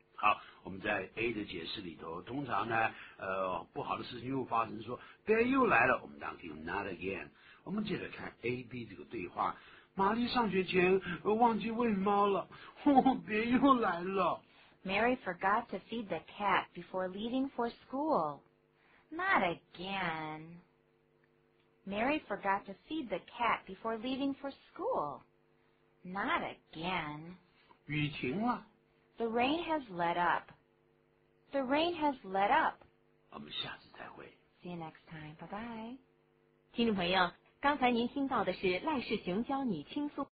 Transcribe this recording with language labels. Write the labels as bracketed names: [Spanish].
[Chinese] 好，我们在 A 的解释里头，通常呢，不好的事情又发生，说别人又来了，我们当然用 [English] not again。 [Chinese] 我们接着看 A-B 这个对话，玛丽上学前忘记喂猫了，别人又来了。 [English] Mary forgot to feed the cat before leaving for school. Not again. Mary forgot to feed the cat before leaving for school. Not again. [Chinese] 雨停了。 [English] The rain has let up. The rain has let up. [Chinese] 我们下次再会。 [English] See you next time. Bye bye. [Chinese] 听众朋友，刚才您听到的是赖世雄教你轻松。